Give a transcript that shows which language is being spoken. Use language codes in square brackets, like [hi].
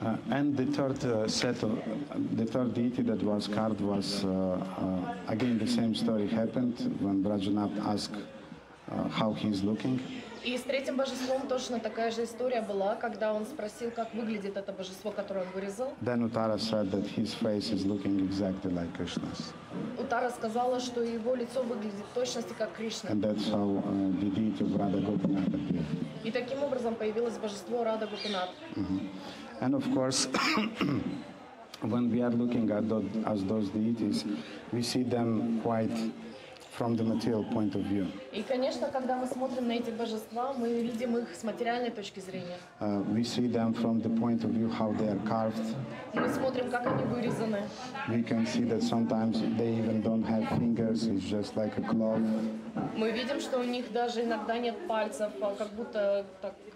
[en] And the third set of the third deity that was carved was again the same story happened when Vrajanath asked how he's looking. [ru] И с третьим божеством точно такая же история была, когда он спросил, как выглядит это божество, которое он вырезал. [en] Then Uttara said that his face is looking exactly like Krishna's. [ru] Uttara сказала, что его лицо выглядит точности как Кришна. [en] And that's how the deity of Radha Gopinath appeared. [ru] И таким образом появилось божество Радха Гопинат. [en] And of course, when we are looking at those deities, we see them quite from the material point of view. [ru] И конечно, когда мы смотрим на эти божества, мы видим их с материальной точки зрения. [en] We see them from the point of view how they are carved. [ru] Мы смотрим, как они вырезаны. [en] We can see that sometimes they even don't have fingers; it's just like a cloth. [ru] Мы видим, что у них даже иногда нет пальцев, как будто так.